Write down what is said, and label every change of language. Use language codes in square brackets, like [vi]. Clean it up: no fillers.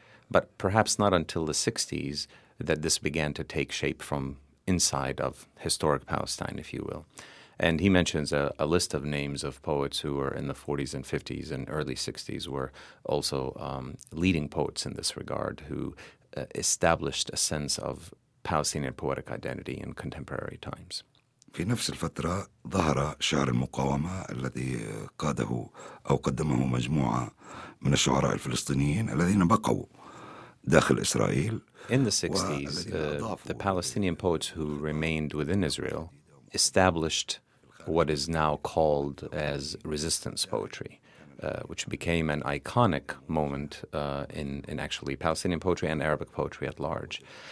[en] But perhaps not until the 60s that this began to take shape from inside of historic Palestine, if you will. And he mentions a list of names of poets who were in the 40s and 50s and early 60s were also leading poets in this regard, who established a sense of Palestinian poetic identity in contemporary times. [ar] في نفس الفترة ظهر شعر المقاومة الذي قاده أو قدمه مجموعة من الشعراء الفلسطينيين الذين بقوا داخل إسرائيل. [en] In the 60s, the Palestinian poets who remained within Israel established what is now called as resistance poetry, which became an iconic moment in actually Palestinian poetry and Arabic poetry at large.